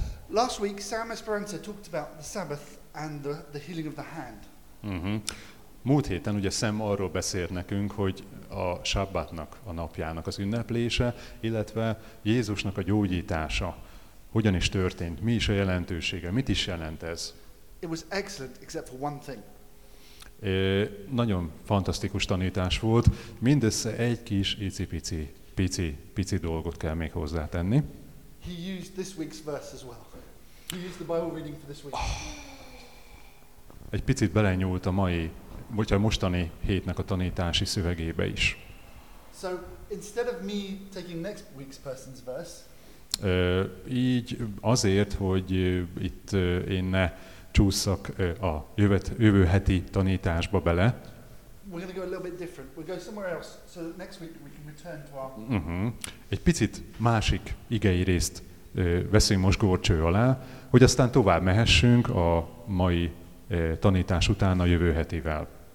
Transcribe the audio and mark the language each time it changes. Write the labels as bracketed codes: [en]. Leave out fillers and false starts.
[en] Last week Sam Esperanza talked about the Sabbath and the healing of the hand. [hu] Múlt héten ugye Sam arról beszélt nekünk, hogy a Sabbatnak, a napjának az ünneplése, illetve Jézusnak a gyógyítása hogyan is történt, mi is a jelentősége, mit is jelent ez? [en] It was excellent, except for one thing. [hu] Nagyon fantasztikus tanítás volt, mindössze egy kis icipici pici dolgot kell még hozzátenni. [en] He used this week's verse as well. He used the Bible reading for this week. [hu] Egy picit belenyúlt a mai, vagy a mostani hétnek a tanítási szövegébe is. [en] So instead of me taking next week's person's verse, [hu] így azért, hogy itt én ne csúszak a jövő heti tanításba bele. [en] We're going to go a little bit different. We'll go somewhere else so that next week we can return to our. [hu] Egy picit másik igei részt veszünk most górcső alá, hogy aztán tovább mehessünk a mai tanítás után a jövő hetivel.